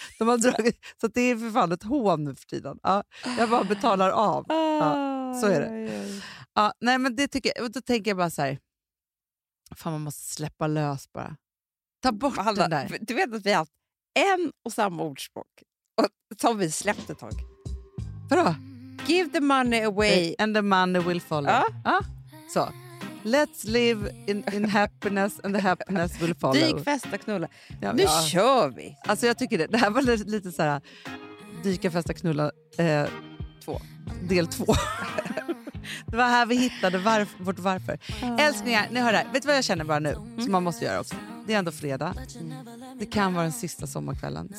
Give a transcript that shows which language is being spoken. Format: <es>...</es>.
<sv>De har dragit, så att det är för fan ett hån nu för tiden. Ja, jag bara betalar av. Ja, så är det. Ja, nej, men det tycker jag, då tänker jag bara så här. Fan, man måste släppa lös bara. Ta bort Amanda, den där. Du vet att vi har haft en och samma ordspråk. Och så har vi släppt ett tag. Vadå?</sv> <en>Give the money away. And the money will follow.</en> <sv>Ja. Ja. Så.</sv> <en>Let's live in happiness and the happiness will follow.</en> <sv>Dyk, festa, knulla. Ja, nu ja. Kör vi. Alltså jag tycker det här var lite så här. Dyka, festa, knulla. Två. Del två. Det var här vi hittade vårt varför. Älsklingar, ni hör det här. Vet du vad jag känner bara nu? Som man måste göra också. Det är ändå fredag. Det kan vara den sista sommarkvällen.</sv>